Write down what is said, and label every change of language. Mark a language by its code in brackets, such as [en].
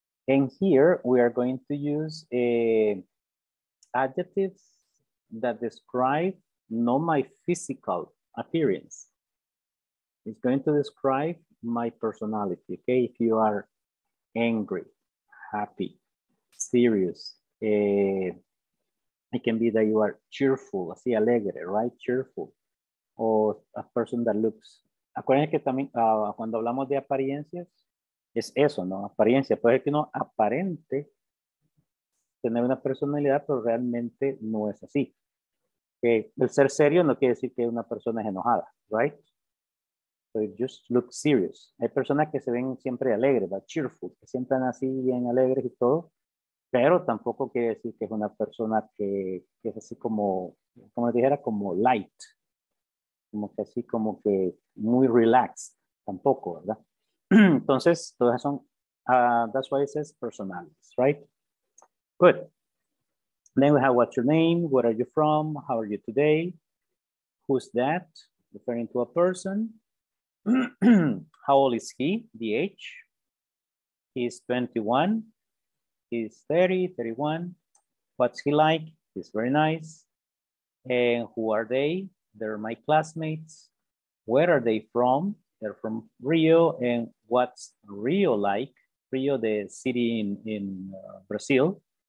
[en] And here we are going to use a... adjectives that describe not my physical appearance. It's going to describe my personality. Okay, if you are angry, happy, serious, it can be that you are cheerful, [es] así alegre, [en] right? Cheerful. Or a person that looks. [es] Acuérdense que también cuando hablamos de apariencias, es eso, ¿no? Apariencia. Puede ser que no aparente. Tener una personalidad, pero realmente no es así. El ser serio no quiere decir que una persona es enojada, right? [en] So it just looks serious. [es] Hay personas que se ven siempre alegres, [en] but cheerful, [es] que siempre están así bien alegres y todo, pero tampoco quiere decir que es una persona que es así como, como dijera, como light, como que así como que muy relaxed, tampoco, ¿verdad? Entonces, todas son, [en] that's why it says personalities, right? Good. Then we have what's your name, where are you from, how are you today, who's that, referring to a person, how old is he, the age, he's 21, he's 30, 31, what's he like, he's very nice, and who are they, they're my classmates, where are they from, they're from Rio, and what's Rio like, Rio, the city in Brazil.